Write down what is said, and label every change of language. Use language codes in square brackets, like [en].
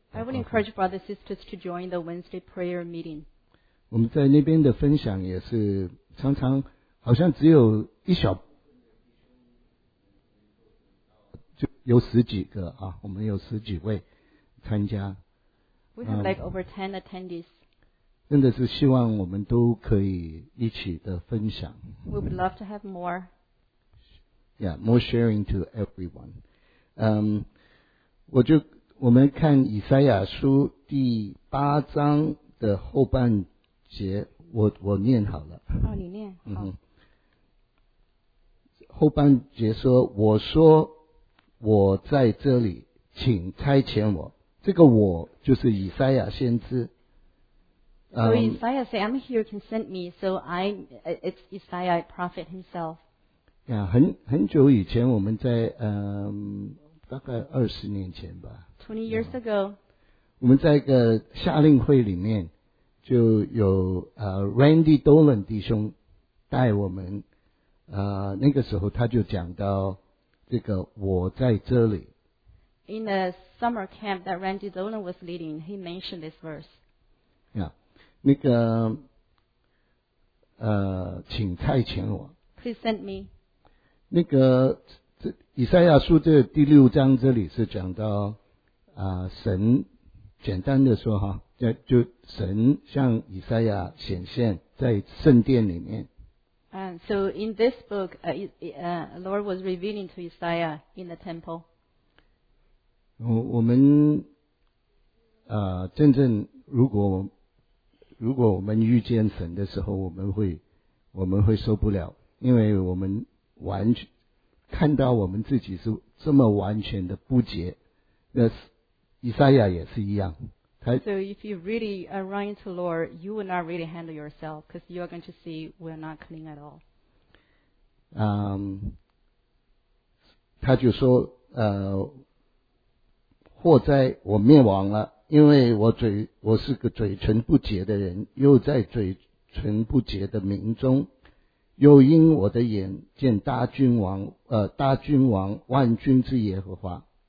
[en] I would encourage brothers and sisters to join the Wednesday prayer meeting. [zh] 我们在那边的分享也是常常好像只有一小就有十几个啊，我们有十几位参加。 [en] We have like over 10 attendees. [zh] 真的是希望我们都可以一起的分享。 [en] We would love to have more. Yeah, more sharing to everyone. [zh] 我们看以赛亚书第八章的后半节，我念好了。哦，你念。后半节说：“我说我在这里，请差遣我。”这个“我”就是以赛亚先知。 [en] So Isaiah say, I'm here, you can send me. So it's Isaiah, prophet himself. [zh] Yeah, 很久以前我们在大概二十年前吧。 [en] 20 years ago. [zh] 我们在一个夏令会里面就有Randy Dolan 弟兄带我们那个时候他就讲到这个我在这里。 [en] In the summer camp that Randy Dolan was leading, he mentioned this verse. [zh] Yeah. 那个请差遣我。 [en] Please send me. [zh] 那个以赛亚书这第六章这里是讲到神简单的说哈，就神向以赛亚显现在圣殿里面。 [en] So in this book, Lord was revealing to Isaiah in the temple. [zh] 我们真正如果我们遇见神的时候，我们会受不了，因为我们完全看到我们自己是这么完全的不洁。那以赛亚也是一样。 [en] So if you really run into the Lord, you will not really handle yourself because you are going to see we are not clean at all. [zh] 他就说祸在我灭亡了，因为我是个嘴唇不洁的人，又在嘴唇不洁的民中，又因我的眼见大君王大君王万军之耶和华。